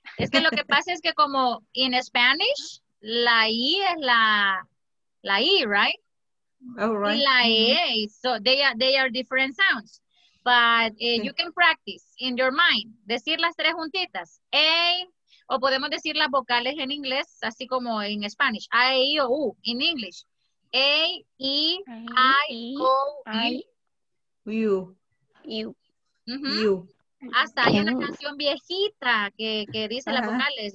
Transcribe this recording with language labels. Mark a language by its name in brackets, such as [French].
[Spanish] Es que lo que pasa es que como [English] in Spanish, [Spanish] la I es la E, [English] right? Oh, right. [Spanish] Y la E, [English] so they are different sounds. But you can practice in your mind. [Spanish] Decir las tres juntitas. A, o podemos decir las vocales en inglés, así como en Spanish. [English] A, E, I, O, U, in English. A, E, I, O, U. U. Uh-huh. U. [Spanish] Hasta hay una canción viejita que dice las vocales.